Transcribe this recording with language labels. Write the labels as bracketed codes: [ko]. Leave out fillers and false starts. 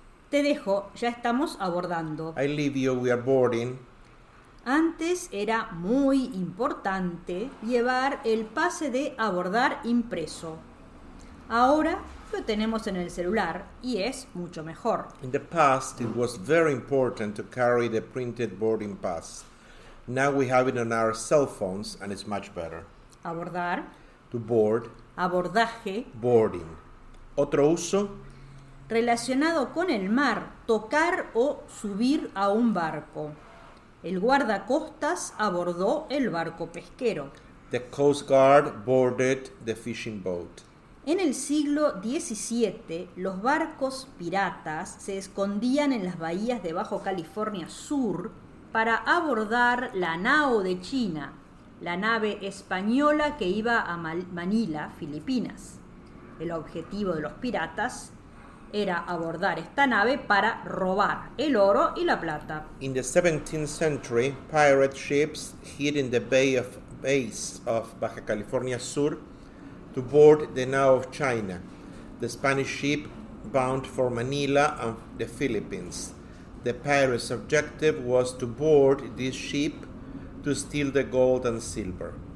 [es] Te dejo, ya estamos abordando. [en] I leave you, we are boarding. [es] Antes era muy importante llevar el pase de abordar impreso. Ahora lo tenemos en el celular y es mucho mejor. [en] In the past, it was very important to carry the printed boarding pass. Now we have it on our cell phones and it's much better. [es] Abordar, [en] To board, [es] abordaje. [en] boarding. [es] Otro uso. Relacionado con el mar, tocar o subir a un barco. El guardacostas abordó el barco pesquero. [en] The Coast Guard boarded the fishing boat. [es] En el siglo XVII, los barcos piratas se escondían en las bahías de Baja California Sur para abordar la Nao de China, la nave española que iba a Manila, Filipinas. El objetivo de los piratas era abordar esta nave para robar el oro y la plata. [en] In the 17th century, pirate ships hid in the bays of Baja California Sur to board the Nao of China, the Spanish ship bound for Manila and the Philippines. The pirates' objective was to board this ship to steal the gold and silver.